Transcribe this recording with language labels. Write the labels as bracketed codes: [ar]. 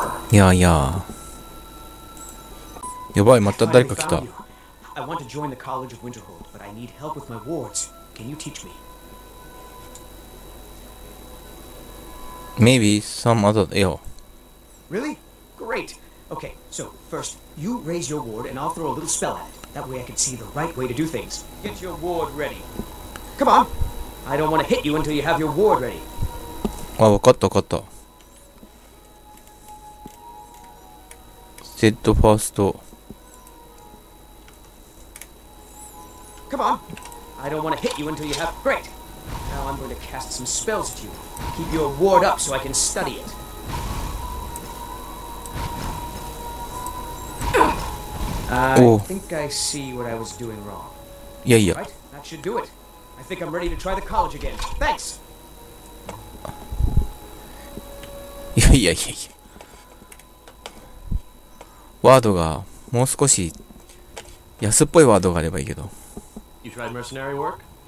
[ja] いやいや、やばい、また誰か来た。 [en] I want to join the College of Winterhold, but I need help with my wards. Can you teach me? Maybe some other ill. Really? Great. Okay, so first, you raise your ward and I'll throw a little spell at it. That way I can see the right way to do things. Get your ward ready. Come on! I don't want to hit you until you have your ward ready. [ja] あ、わかったわかった。ステッドファースト。 [en] Come on! I don't want to hit you until you have great! Now I'm going to cast some spells at you. Keep your ward up so I can study it. I think I see what I was doing wrong. [ja] いやいや。 [en] Right? That should do it. I think I'm ready to try the college again. Thanks! [ja] いやいやいやいや、ワードがもう少し安っぽいワードがあればいいけど。 [en] You tried mercenary work?